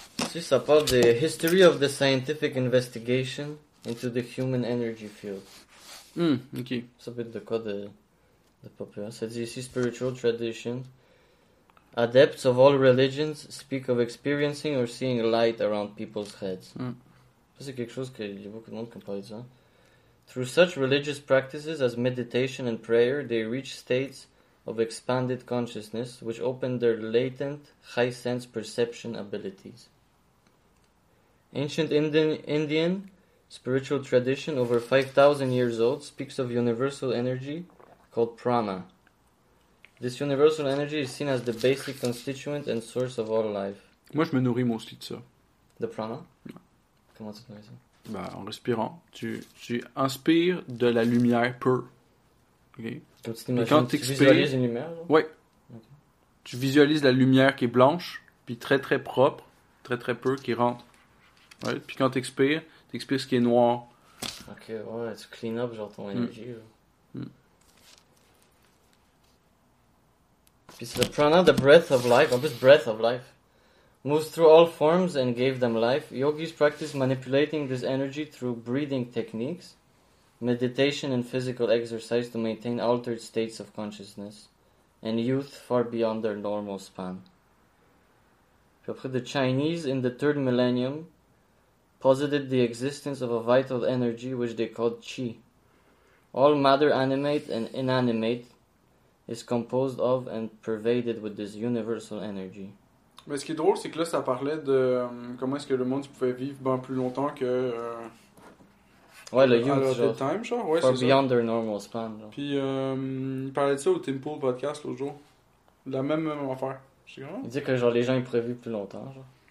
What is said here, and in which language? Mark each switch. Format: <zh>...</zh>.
<fr>Si, ça parle des</fr> <en>history of the scientific investigation into the human energy field. Ok.</en> <fr>Ça peut être de quoi de populaire. Ça dit ici, spiritual tradition.</fr> <en>Adepts of all religions speak of experiencing or seeing light around people's heads.</en> <fr>Ça, c'est quelque chose que il y a beaucoup de monde qui parle de ça.</fr> <en>Through such religious practices as meditation and prayer, they reach states of expanded consciousness which opened their latent high sense perception abilities. Ancient Indian spiritual tradition over 5,000 years old speaks of universal energy called prana. This universal energy is seen as the basic constituent and source of all life.</en> <fr>Moi, je me nourris moi aussi de ça. De prana? Non. Comment tu te nourris ça? Bah, en respirant. Tu inspires de la lumière pure. Okay. Quand tu visualises une lumière? Là? Ouais. Okay. Tu visualises la lumière qui est blanche, puis très très propre, très très pure, qui rentre. Ouais. Puis quand tu expires ce qui est noir. Ok, ouais, tu clean up genre ton énergie. Puis c'est le prana,</fr> <en>the breath of life,</en> <fr>en plus</fr> <en>breath of life, moves through all forms and gave them life. Yogis practice manipulating this energy through breathing techniques, meditation and physical exercise to maintain altered states of consciousness and youth far beyond their normal span.</en> <fr>Puis après,</fr> <en>the Chinese in the third millennium posited the existence of a vital energy which they called qi. All matter animate and inanimate is composed of and pervaded with this universal energy.</en> <fr>Mais ce qui est drôle, c'est que là, ça parlait de comment est-ce que le monde pouvait vivre bien plus longtemps que... ouais, le youth, genre. Dead time, genre. Ouais,</fr> <en>for beyond their normal span, genre.</en> <fr>Puis, il parlait de ça au Tempo podcast l'autre jour. La même affaire. Comment? Il dit que, genre, les gens, ils pouvaient vivre plus longtemps, genre.</fr>